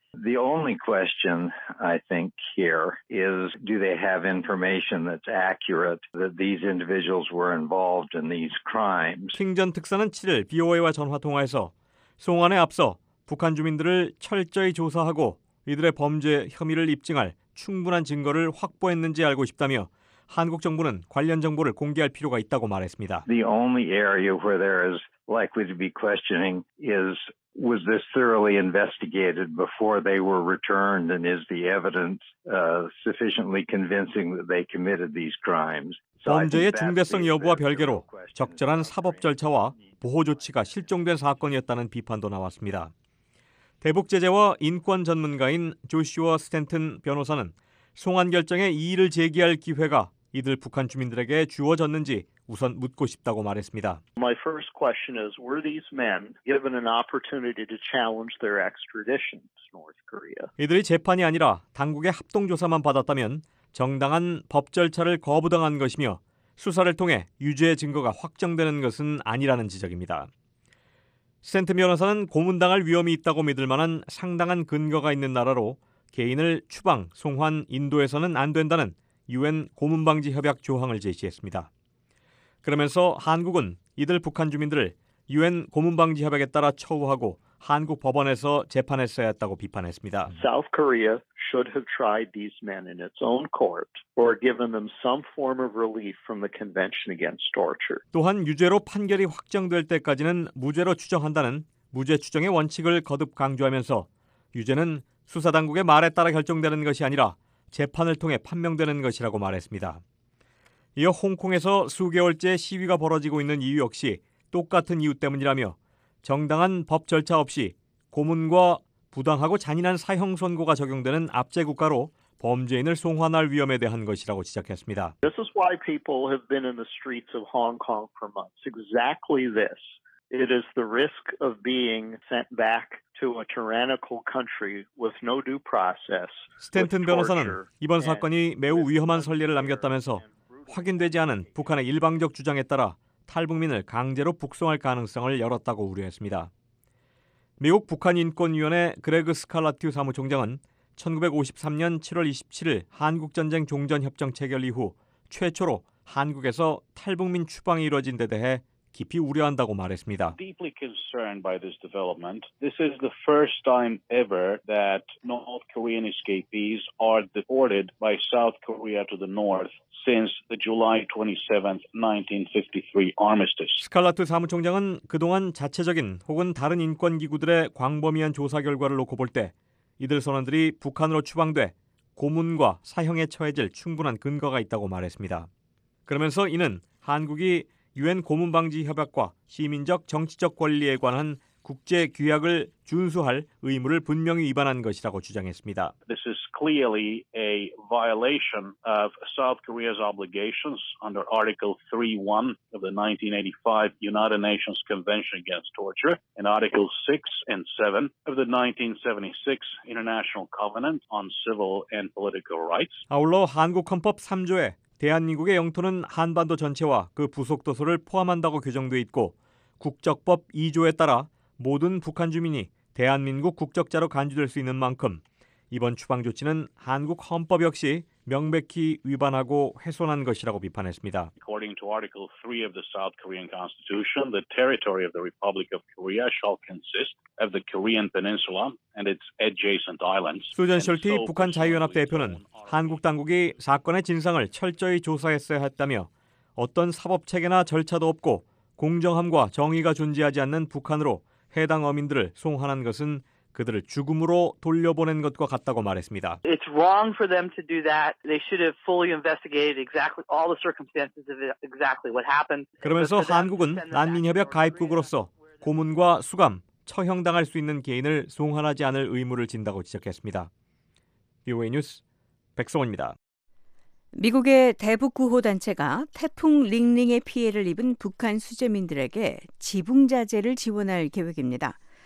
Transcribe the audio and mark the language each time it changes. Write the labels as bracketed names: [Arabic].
[English] The only question I think here is do they have information that's accurate that these individuals were involved in these crimes? [Korean] 킹 전 특사는 7일 BOA와 전화 통화에서 송환에 앞서 북한 주민들을 철저히 조사하고 이들의 범죄 혐의를 입증할 충분한 증거를 확보했는지 알고 싶다며 한국 정부는 관련 정보를 공개할 필요가 있다고 말했습니다. [English] The only area where there is likely to be questioning is was this thoroughly investigated before they were returned and is the evidence sufficiently convincing that they committed these crimes? [Korean] 범죄의 중대성 여부와 별개로 적절한 사법 절차와 보호 조치가 실종된 사건이었다는 비판도 나왔습니다. 대북 제재와 인권 전문가인 조슈아 스탠튼 변호사는 송환 결정에 이의를 제기할 기회가 이들 북한 주민들에게 주어졌는지 우선 묻고 싶다고 말했습니다. [English] My first question is, were these men given an opportunity to challenge their extradition to North Korea? [Korean] 이들이 재판이 아니라 당국의 합동 조사만 받았다면 정당한 법 절차를 거부당한 것이며 수사를 통해 유죄 증거가 확정되는 것은 아니라는 지적입니다. 센트 변호사는 고문당할 위험이 있다고 믿을 만한 상당한 근거가 있는 나라로 개인을 추방, 송환, 인도에서는 안 된다는 유엔 고문방지 협약 조항을 제시했습니다. 그러면서 한국은 이들 북한 주민들을 유엔 고문방지 협약에 따라 처우하고 한국 법원에서 재판했어야 했다고 비판했습니다. [English] South Korea should have tried these men in its own court or given them some form of relief from the Convention against Torture. [Korean] 또한 유죄로 판결이 확정될 때까지는 무죄로 추정한다는 무죄 추정의 원칙을 거듭 강조하면서 유죄는 수사 당국의 말에 따라 결정되는 것이 아니라 재판을 통해 판명되는 것이라고 말했습니다. 이어 홍콩에서 수개월째 시위가 벌어지고 있는 이유 역시 똑같은 이유 때문이라며 정당한 법 절차 없이 고문과 부당하고 잔인한 사형 선고가 적용되는 압제 국가로 범죄인을 송환할 위험에 대한 것이라고 지적했습니다. [English] This is why people have been in the streets of Hong Kong for months. Exactly this. It is the risk of being sent back to a tyrannical country with no due process. [Korean] 스탠튼 변호사는 이번 사건이 매우 위험한 선례를 남겼다면서 확인되지 않은 북한의 일방적 주장에 따라 탈북민을 강제로 북송할 가능성을 열었다고 우려했습니다. 미국 북한인권위원회 그레그 스칼라티우 사무총장은 1953년 7월 27일 한국전쟁 종전협정 체결 이후 최초로 한국에서 탈북민 추방이 이루어진 데 대해 깊이 우려한다고 말했습니다. [English] Deeply concerned by this development. This is the first time ever that North Korean escapees are deported by South Korea to the north since the July 27, 1953 armistice. [Korean] 스칼라트 사무총장은 그동안 자체적인 혹은 다른 인권 기구들의 광범위한 조사 결과를 놓고 볼 때 이들 선원들이 북한으로 추방돼 고문과 사형에 처해질 충분한 근거가 있다고 말했습니다. 그러면서 이는 한국이 유엔 고문 방지 협약과 시민적 정치적 권리에 관한 국제 규약을 준수할 의무를 분명히 위반한 것이라고 주장했습니다. [English] This is clearly a violation of South Korea's obligations under Article 3.1 of the 1985 United Nations Convention Against Torture and Article 6 and 7 of the 1976 International Covenant on Civil and Political Rights. [Korean] 아울러 한국 헌법 3조에 대한민국의 영토는 한반도 전체와 그 부속도서를 포함한다고 규정되어 있고 국적법 2조에 따라 모든 북한 주민이 대한민국 국적자로 간주될 수 있는 만큼 이번 추방 조치는 한국 헌법 역시 명백히 위반하고 훼손한 것이라고 비판했습니다. [English] According to Article 3 of the South Korean Constitution, the territory of the Republic of Korea shall consist of the Korean Peninsula and its adjacent islands. [Korean] 수전 셜티 북한 자유연합 대표는 한국 당국이 사건의 진상을 철저히 조사했어야 했다며 어떤 사법 체계나 절차도 없고 공정함과 정의가 존재하지 않는 북한으로 해당 어민들을 송환한 것은 그들을 죽음으로 돌려보낸 것과 같다고 말했습니다. [English] It's wrong for them to do that. They should have fully investigated exactly all the circumstances of exactly what happened. [Korean] 그러면서 한국은 난민협약 가입국으로서 고문과 수감, 처형당할 수 있는 개인을 송환하지 않을 의무를 진다고 지적했습니다. VOA 뉴스 백성원입니다. 미국의 대북구호단체가 태풍 링링의 피해를 입은 북한 수재민들에게 지붕자재를 지원할 계획입니다.